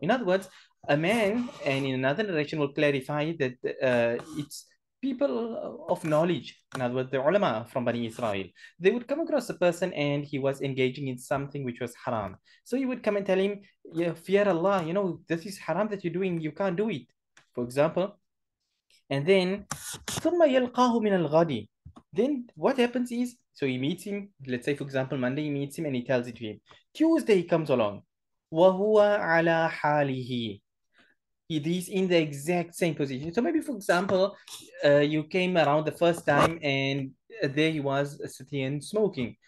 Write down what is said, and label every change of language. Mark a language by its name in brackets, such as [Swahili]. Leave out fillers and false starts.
[English] In other words, a man, and in another narration will clarify that it's people of knowledge, in other words, the ulama from Bani Israel, they would come across a person and he was engaging in something which was haram. So he would come and tell him, yeah, fear Allah, you know, this is haram that you're doing, you can't do it, for example. And then, [Arabic] ثُمَّ يَلْقَاهُ مِنَ الْغَدِي. [English] Then what happens is, so he meets him, let's say for example, Monday he meets him and he tells it to him. Tuesday he comes along. [Arabic] وَهُوَ عَلَى حَالِهِ. [English] He's in the exact same position. So maybe for example, you came around the first time and there he was sitting and smoking.